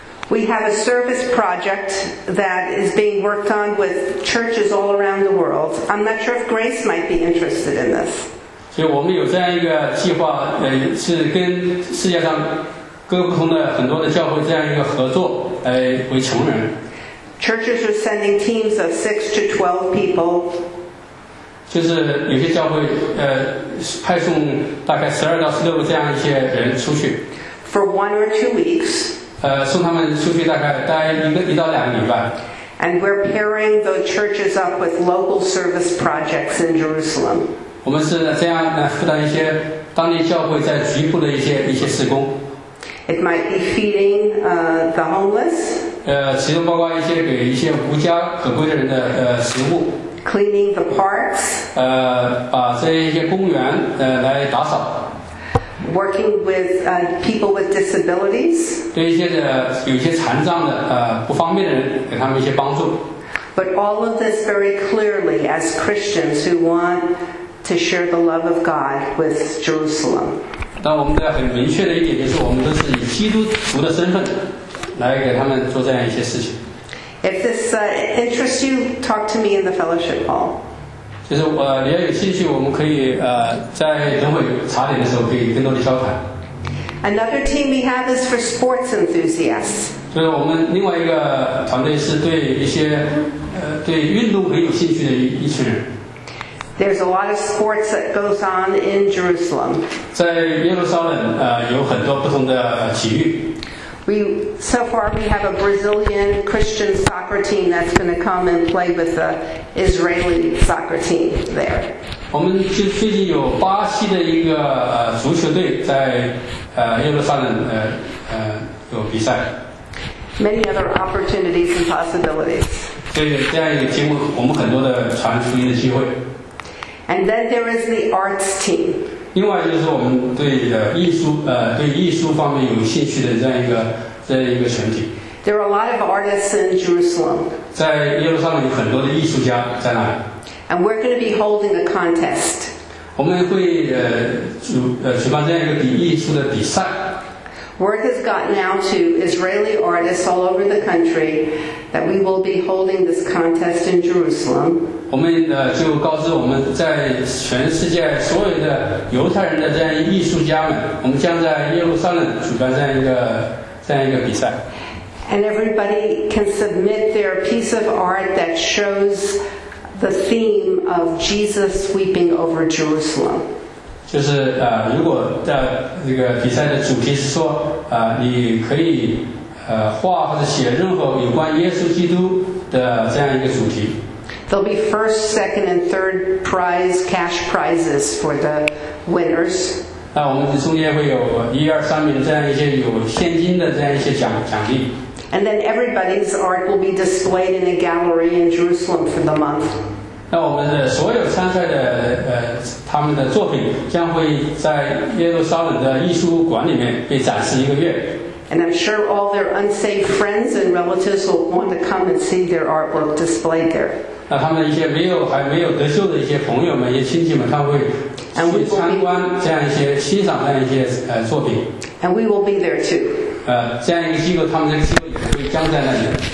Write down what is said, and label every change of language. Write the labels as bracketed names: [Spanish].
[English] We have a service project that is being worked on with churches all around the world. I'm not sure if Grace might be interested in this. [Chinese] 所以我们有这样一个计划，是跟世界上各不同的很多的教会这样一个合作，来为穷人。 [English] Churches are sending teams of 6 to 12 people. [Chinese] 就是有些教会派送大概12到16个这样一些人出去 [English] for 1 or 2 weeks [Chinese] 送他们出去大概待1到2个礼拜 [English] and we're pairing the churches up with local service projects in Jerusalem [Chinese] 我们是这样负担一些当地教会在局部的一些施工 [English] it might be feeding the homeless [Chinese] 其中包括一些给一些无家可归的人的食物 [English] Cleaning the parks. [Chinese] 把这些公园来打扫。 [English] Working with people with disabilities. [Chinese] 对一些的有些残障的不方便的人，给他们一些帮助。 [English] But all of this very clearly as Christians who want to share the love of God with Jerusalem. [Chinese] 但我们都要很明确的一点就是，我们都是以基督徒的身份来给他们做这样一些事情。 [English] If this interests you, talk to me in the fellowship hall. [Chinese] 就是你要有兴趣，我们可以在等会茶点的时候可以更多的交谈。 [English] Another team we have is for sports enthusiasts. [Chinese] 就是我们另外一个团队是对一些对运动很有兴趣的一群人。 [English] There's a lot of sports that goes on in Jerusalem. [Chinese] 在耶路撒冷有很多不同的体育。 [English] So far we have a Brazilian Christian soccer team that's going to come and play with the Israeli soccer team there. [Chinese] 我们最近有巴西的一个足球队在耶路撒冷有比赛。 [English] Many other opportunities and possibilities. [Chinese] 对，这样也提供我们很多的传福音的机会。 [English] And then there is the arts team. [Chinese] 另外就是我们对艺术方面有兴趣的这样一个群体。 [English] There are a lot of artists in Jerusalem. [Chinese] 在耶路撒冷有很多的艺术家在那里。 [English] And we're going to be holding a contest. [Chinese] 我们会举办这样一个比艺术的比赛。 [English] Word has gotten out to Israeli artists all over the country that we will be holding this contest in Jerusalem. [Chinese] 我们就告知我们在全世界所有的犹太人的这样艺术家们，我们将在耶路撒冷举办这样一个比赛。 [English] And everybody can submit their piece of art that shows the theme of Jesus weeping over Jerusalem. [Chinese] 就是如果在这个比赛的主题是说你可以画或者写任何有关耶稣基督的这样一个主题。 [English] There'll be first, second, and third prize cash prizes for the winners. [Chinese] 那我们中间会有一二三名这样一些有现金的这样一些奖励。 [English] And then everybody's art will be displayed in a gallery in Jerusalem for the month. [Chinese] 那我们的所有参赛的他们的作品将会在耶路撒冷的艺术馆里面被展示一个月。 [English] And I'm sure all their unsafe friends and relatives will want to come and see their artwork displayed there. [Chinese] 那他们一些还没有得救的一些朋友们、一些亲戚们，他会去参观这样一些、欣赏这样一些作品。 [English] And we will be there too. [Chinese] 这样一个机构，他们这个机构也会将在那里。